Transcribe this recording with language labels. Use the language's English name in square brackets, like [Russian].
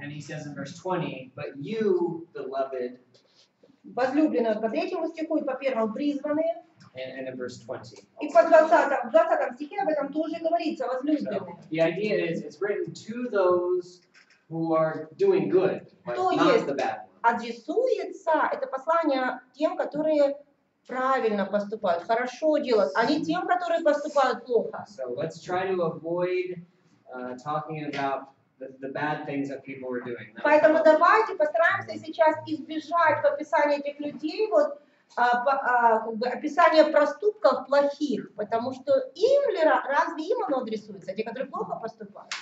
[English] And he says in verse 20, but you, beloved, [Russian] возлюбленные по третьему стиху и по первому призваны. [English] And in verse 20. [Russian] И по 20 стихе об этом тоже говорится, возлюбленные. [English] So, the idea is it's written to those who are doing good, but [Russian] то [English] not [Russian] есть, [English] the bad ones. [Russian] Адресуется это послание тем, которые правильно поступают, хорошо делают, а не тем, которые поступают плохо. [English] So let's try to avoid talking about the bad things that people were doing. [Russian] Поэтому давайте постараемся сейчас избежать в описании этих людей вот описание проступков плохих, потому что им ли разве им оно адресуется, те, которые плохо поступают?